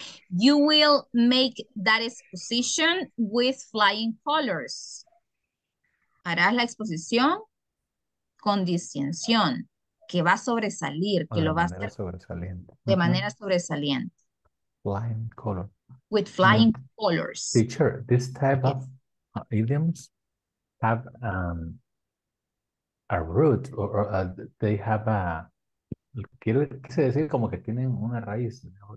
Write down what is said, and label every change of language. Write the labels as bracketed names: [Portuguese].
[English] You will make that exposition with flying colors. [Spanish] Harás la exposición con distinción, que va a sobresalir, que lo va a hacer sobresaliente. De manera sobresaliente. [English] Flying color. With flying colors. Teacher, this type of idioms have a root, or they have a [Spanish] quiero decir como que tienen una raíz, ¿no?